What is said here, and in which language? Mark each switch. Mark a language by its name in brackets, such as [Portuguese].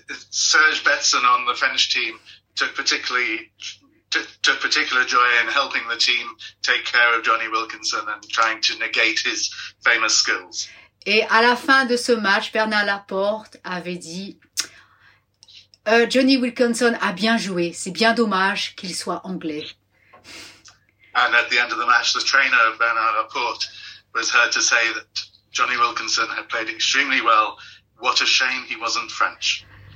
[English] Serge Benson on the French team took particular joy in helping the team take care of Johnny Wilkinson and trying to negate his famous skills. [French] Et à la fin de ce match, Bernard Laporte avait dit Johnny Wilkinson a bien joué, c'est bien dommage qu'il soit anglais. [English] And at the end of the match, the trainer of Bernard Laporte was heard to say that Johnny Wilkinson had played extremely well. What a shame he wasn't French.